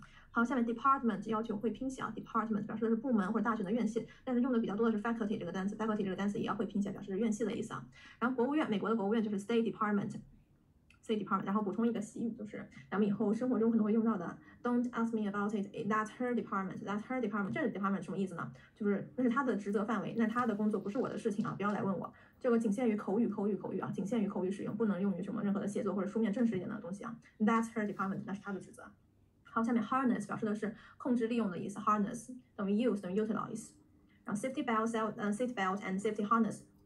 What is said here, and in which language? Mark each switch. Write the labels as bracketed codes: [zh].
[zh] 好，下面 department 要求会拼写啊 ，department 表示的是部门或者大学的院系，但是用的比较多的是 faculty 这个单词 ，faculty 这个单词也要会拼写，表示是院系的意思啊。然后国务院，美国的国务院就是 State Department, 然后补充一个习语，就是咱们以后生活中可能会用到的 ， [en] Don't ask me about it. That's her department. [zh] 这个 department 什么意思呢？就是那是他的职责范围，那他的工作不是我的事情啊，不要来问我。这个仅限于口语啊，仅限于口语使用，不能用于什么任何的写作或者书面正式一点的东西啊。 [en] That's her department, [zh] 那是他的职责。好，下面 harness 表示的是控制利用的意思 ，harness 等于 use 等于 utilize, 然后 [en] seat belt and safety harness.